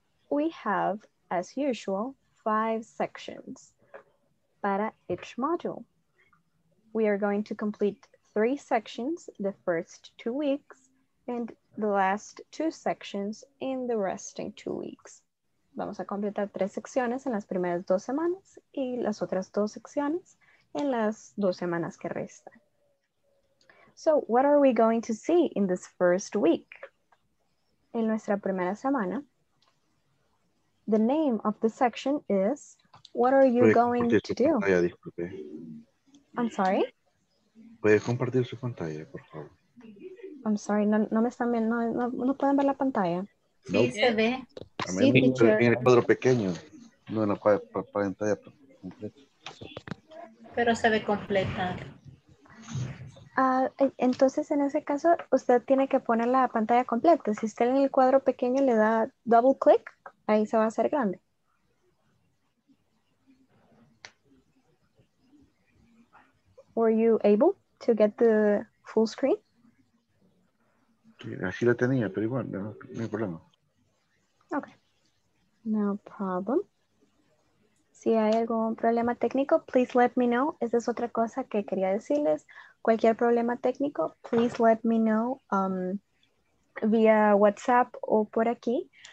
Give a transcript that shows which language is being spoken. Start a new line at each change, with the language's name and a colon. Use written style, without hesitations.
English: We have, as usual, 5 sections para each module. We are going to complete 3 sections the first 2 weeks and the last 2 sections in the resting 2 weeks.
Spanish: Vamos a completar 3 secciones en las primeras 2 semanas y las otras 2 secciones en las 2 semanas que restan.
English: So, what are we going to see in this first week? En nuestra primera semana, the name of the section is, what are you going to do?
Spanish: Pantalla, disculpe.
English: I'm sorry?
Spanish: ¿Puede compartir su pantalla, por favor? I'm sorry, no me están viendo, no pueden ver la pantalla. Sí, nope. Se ve. A mí sí, me gusta el cuadro pequeño, no en la pantalla completa. Pero se ve completa. Entonces, en ese caso, usted tiene que poner la pantalla completa. Si usted en el cuadro pequeño le da double click, ahí se va a hacer grande.
English: Were you able to get the full screen?
Spanish: Así la tenía, pero igual, no hay problema.
English: Okay. No problem. Si hay algún problema técnico, please let me know.
Spanish: Esa es otra cosa que quería decirles. Cualquier problema técnico, please let me know via WhatsApp o por aquí.